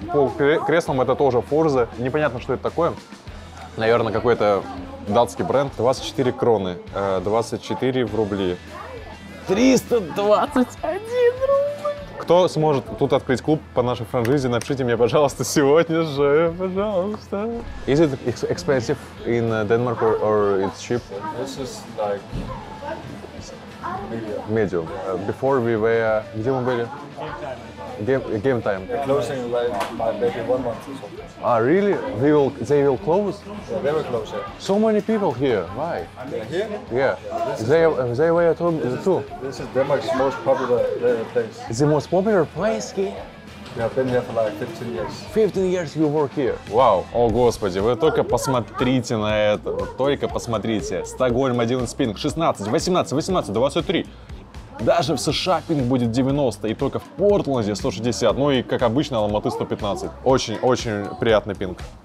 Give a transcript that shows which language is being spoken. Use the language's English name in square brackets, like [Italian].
[Russian] По креслам это тоже Forza. Непонятно, что это такое. Наверное, какой-то... датский бренд. 24 кроны. 24 в рубли. 321 рубль. Кто сможет тут открыть клуб по нашей франшизе, напишите мне, пожалуйста, сегодня же, пожалуйста. [English] Is it expensive in Denmark or it's cheap? This is like medium. Before we were... [Russian] Где мы были? [English] game time. They're closing like maybe 1 month or so. Ah, really? They will close? Yeah, they will close, yeah. So many people here, why? Here? Yeah. They were too. This is Denmark's most popular place. It's the most popular place here? Я been here for like 15 years. 15 years you work here. Вау. [Russian] О, господи, вы только посмотрите на это. Вы только посмотрите. Стокгольм, 11 пинг, 16, 18, 18, 23. Даже в США пинг будет 90, и только в Портленде 160. Ну и, как обычно, Алматы 115. Очень-очень приятный пинг.